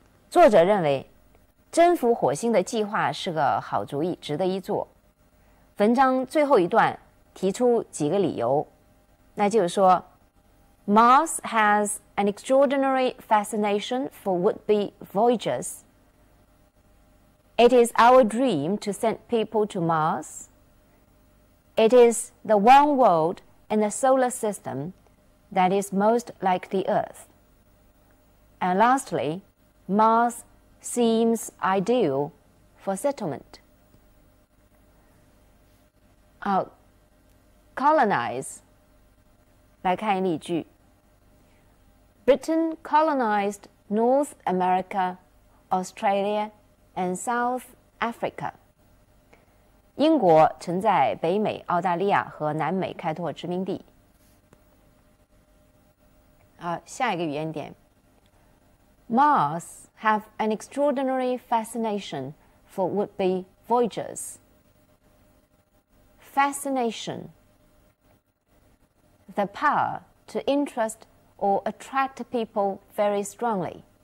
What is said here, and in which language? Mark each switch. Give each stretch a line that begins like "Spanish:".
Chinese: 作者认为征服火星的计划是个好主意值得一做。文章最后一段提出几个理由。那就是说
English: Mars has an extraordinary fascination for would-be voyagers. It is our dream to send people to Mars. It is the one world in the solar system. That is most like the Earth. And lastly, Mars seems ideal for settlement. Colonize.
Chinese: 来看一例句。
English: Britain colonized North America, Australia, and South Africa.
Chinese: 英国曾在北美、澳大利亚和南美开拓殖民地。下一个语言点。
English: Mars have an extraordinary fascination for would-be voyagers. Fascination. The power to interest or attract people very strongly.